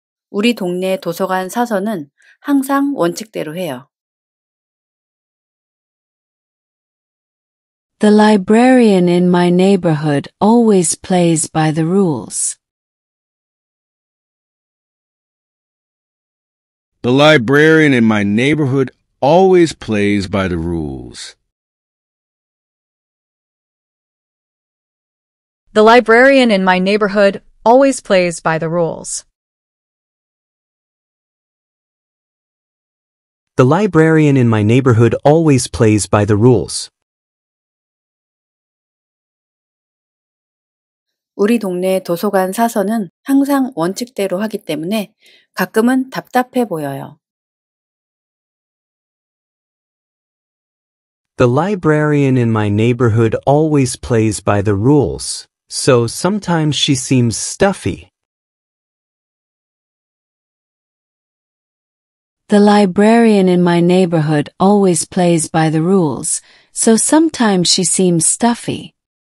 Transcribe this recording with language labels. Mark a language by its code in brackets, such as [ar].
[ko] 우리 동네 도서관 사서는 항상 원칙대로 해요. [en] The librarian in my neighborhood always plays by the rules. The librarian in my neighborhood always plays by the rules. The librarian in my neighborhood always plays by the rules. The librarian in my neighborhood always plays by the rules. [ko] 우리 동네 도서관 사서는 항상 원칙대로 하기 때문에 가끔은 답답해 보여요. [en] The librarian in my neighborhood always plays by the rules, so sometimes she seems stuffy. The librarian in my neighborhood always plays by the rules, so sometimes she seems stuffy.